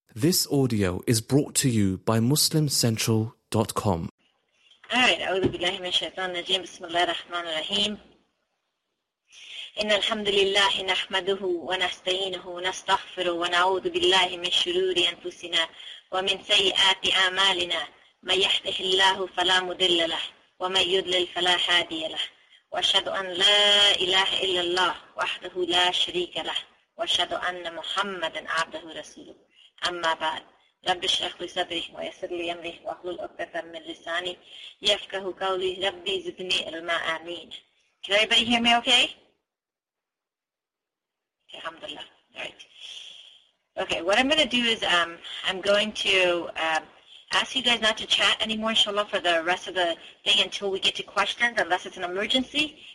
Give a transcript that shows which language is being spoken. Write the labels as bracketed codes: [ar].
[en] This audio is brought to you by MuslimCentral.com. Alright, [ar] أعوذ بالله من الشيطان الرجيم. بسم الله الرحمن الرحيم. إن الحمد لله نحمده ونستعينه ونستغفره ونعوذ بالله من شرور أنفسنا ومن سيئات أعمالنا. من يهده الله فلا مضل له ومن يضلل فلا هادي له. وأشهد أن لا إله إلا الله وحده لا شريك له وأشهد أن محمدا عبده ورسوله. أما بعد، رب اشرح لي صدري ويسر لي أمري واحلل عقدة من لساني يفقهوا قولي ربي زدني علما آمين. [en] Can everybody hear me okay? Okay, alhamdulillah. All right. Okay, what I'm going to do is I'm going to ask you guys not to chat anymore, inshallah, for the rest of the thing until we get to questions, unless it's an emergency.